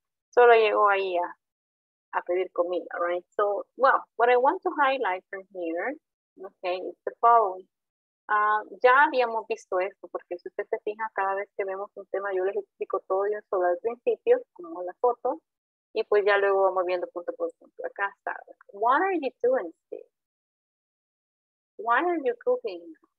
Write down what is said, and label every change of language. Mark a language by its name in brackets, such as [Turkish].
[Spanish] So lo llegó ahí a pedir comida, right? [English] So, well, what I want to highlight from here, okay, is the following. [Spanish] Ya habíamos visto esto, porque si usted se fija, cada vez que vemos un tema, yo les explico todo yo solo al principio, como la foto, y pues ya luego vamos viendo punto por punto. Acá está. [English] What are you doing, Steve? Why are you cooking?